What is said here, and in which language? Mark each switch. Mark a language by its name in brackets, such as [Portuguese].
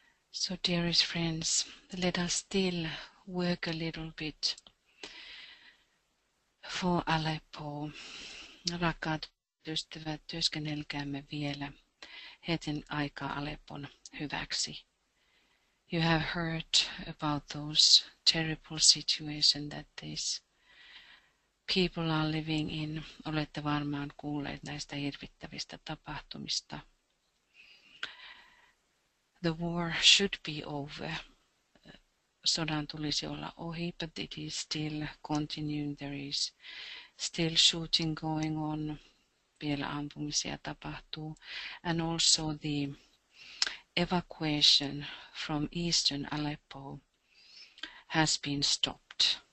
[English] So, dearest friends, let us still work a little bit for Aleppo. [Finnish] Rakkaat ystävät, työskennelkäämme vielä hetken aikaa Aleppon hyväksi. [English] You have heard about those terrible situations that these people are living in. [Finnish] Olette varmaan kuulleet näistä hirvittävistä tapahtumista. [English] The war should be over. [Finnish] Sodan tulisi olla ohi, [English] but it is still continuing. There is still shooting going on. [Finnish] Vielä ampumisia tapahtuu. [English] And also the evacuation from eastern Aleppo has been stopped.